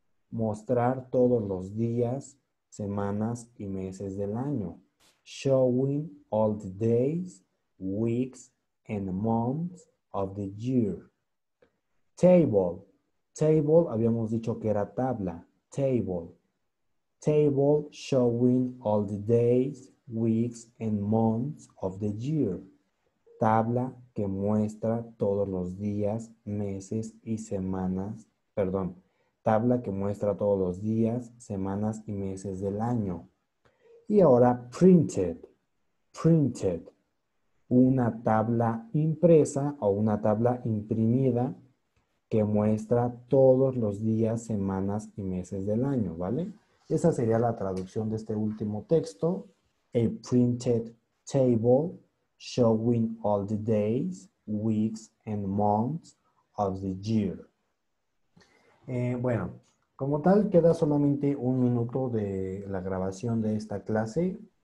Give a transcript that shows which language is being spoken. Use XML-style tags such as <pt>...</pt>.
<es>Mostrar todos los días, semanas y meses del año.</es> <en>Showing all the days, weeks and months of the year. Table. Table,</en> <es>habíamos dicho que era tabla.</es> <en>Table. Table showing all the days, weeks, and months of the year.</en> <es>Tabla que muestra todos los días, meses y semanas. Perdón. Tabla que muestra todos los días, semanas y meses del año. Y ahora printed. Printed. Una tabla impresa o una tabla imprimida que muestra todos los días, semanas y meses del año, ¿vale? Esa sería la traducción de este último texto.</es> <en>A printed table showing all the days, weeks and months of the year.</en> <es>Bueno, como tal, queda solamente un minuto de la grabación de esta clase.</es>